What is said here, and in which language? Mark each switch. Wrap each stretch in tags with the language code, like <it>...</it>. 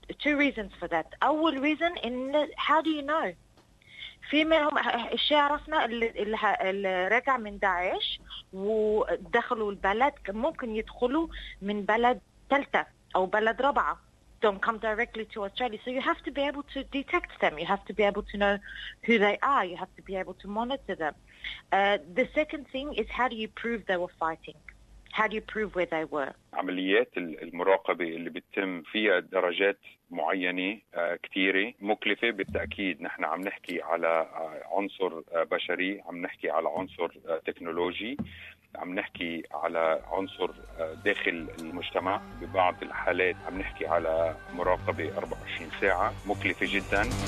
<en>two reasons for that.</en> <ar>أول reason إن</ar> <en>how do you know؟</en> <ar>في منهم الشيء عرفنا اللي رجع من داعش ودخلوا البلد ممكن يدخلوا من بلد ثالثة أو بلد رابعة.</ar> <en>Don't come directly to Australia. So you have to be able to detect them. You have to be able to know who they are. You have to be able to monitor them. The second thing is how do you prove they were fighting? How do you prove where they were?</en> <ar>عمليات المراقبة اللي بتتم فيها درجات معينة كتيرة مكلفة بالتأكيد. نحن عم نحكي على عنصر بشري، عم نحكي على عنصر تكنولوجي، عم نحكي على عنصر داخل المجتمع، ببعض الحالات عم نحكي على مراقبة 24 ساعة مكلفة جدا.</ar>